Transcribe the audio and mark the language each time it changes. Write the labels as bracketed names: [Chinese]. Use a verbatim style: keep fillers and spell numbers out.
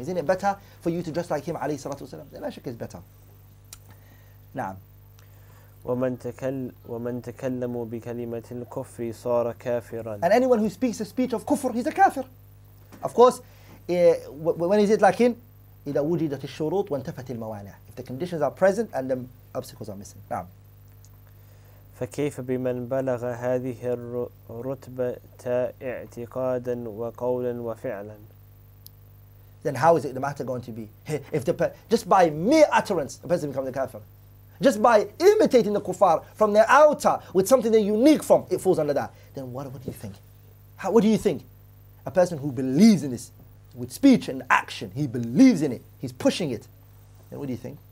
[English] Isn't it better for you to dress like him, alayhi salatu wasalam? Then I think it's better. Naam. [Arabic] وَمَنْ تَكَلَّمُ بِكَلِمَةِ الْكُفْرِ صَارَ كَافِرًا. [English] And anyone who speaks the speech of kufr, he's a kafir. Of course, uh, when is it like him? [Arabic] إذا وجدت الشروط وانتفت الموانع. [English] If the conditions are present and the obstacles are missing. [Arabic] نعم. فكيف بمن بلغ هذه الرتبة اعتقادا وقولا وفعلا. [English] Then how is it the matter going to be? If the just by mere utterance the person becomes a kafir, just by imitating the kuffar from their outer with something they're unique from, it falls under that. Then what? What do you think? How? What do you think? A person who believes in this, with speech and action, he believes in it, he's pushing it. And what do you think?